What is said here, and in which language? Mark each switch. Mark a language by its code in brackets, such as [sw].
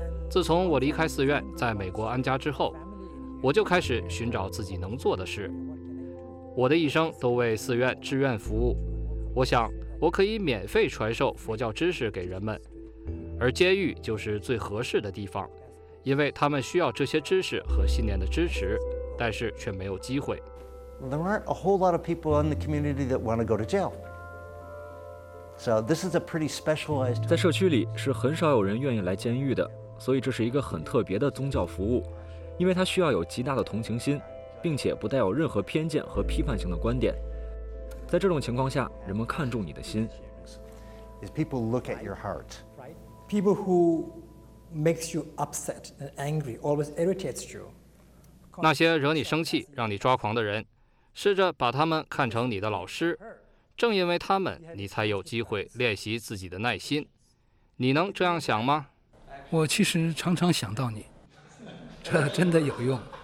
[zh] 自从我离开寺院，在美国安家之后，我就开始寻找自己能做的事。我的一生都为寺院志愿服务，我想我可以免费传授佛教知识给人们。而监狱就是最合适的地方，因为他们需要这些知识和信念的支持，但是却没有机会。 [en] There aren't a whole lot of people in the community that want to go to jail. So this is a pretty specialized. [zh] 在社区里是很少有人愿意来监狱的，所以这是一个很特别的宗教服务，因为它需要有极大的同情心，并且不带有任何偏见和批判性的观点。在这种情况下，人们看重你的心。 [en] Is people look at your heart. People who makes you upset and angry always irritates you. [zh] 那些惹你生气、让你抓狂的人，试着把他们看成你的老师。正因为他们，你才有机会练习自己的耐心。你能这样想吗？我其实常常想到你，这真的有用。